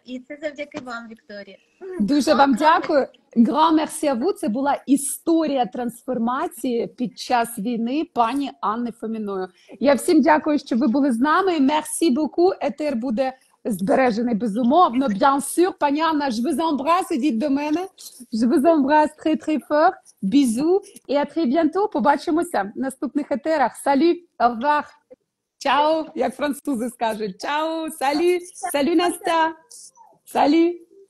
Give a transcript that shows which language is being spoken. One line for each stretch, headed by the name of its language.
Ukrainian: І це завдяки вам, Вікторія. Дуже вам дякую.
French: Grand merci à vous.
Ukrainian: Це була історія трансформації під час війни пані Анни Фоміної. Я всім дякую, що ви були з нами.
French: Merci beaucoup.
Ukrainian: Етер буде збережений безумовно.
French: Bien sûr, пані Анна, je vous embrasse, dites
Ukrainian: до мене.
French: Je vous embrasse très très fort. Bisous. Et à très bientôt.
Ukrainian: Побачимося в наступних етерах.
French: Salut. Au revoir.
Ukrainian: Чао, як французи скажуть. Чао, салі, салі, Настя, салі.